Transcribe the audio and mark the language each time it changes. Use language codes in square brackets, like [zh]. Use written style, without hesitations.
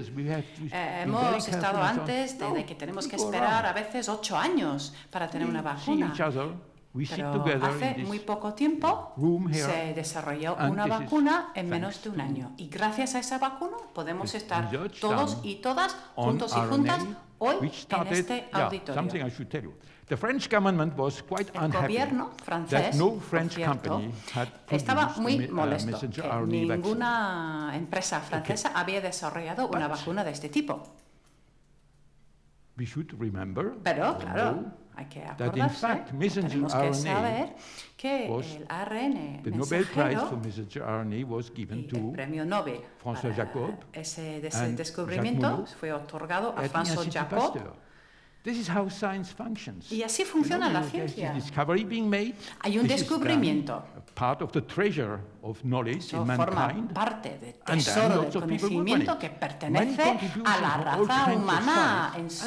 [es] Hemos estado antes de que tenemos que esperar a veces 8 años para tener una vacuna. Pero hace muy poco tiempo se desarrolló una vacuna en menos de un año. Y gracias a esa vacuna podemos estar todos y todas juntos y juntas hoy en este auditorio. [en] The French government was quite unhappy that no French company had produced a messenger RNA vaccine. [es] Ninguna empresa francesa había desarrollado una vacuna de este tipo. [en] We should remember, [es] pero claro, hay que acordarse, tenemos que saber que el ARN [en] the Nobel Prize for messenger RNA was given to [es] el premio Nobel François Jacob ese descubrimiento fue otorgado a François Jacob. [en] This is how science functions. [es] Y así funciona la ciencia. [en] Discovery being made, [es] hay un descubrimiento. [en] Part of the treasure of knowledge in mankind, [es] forma parte del tesoro del conocimiento que pertenece a la raza humana en su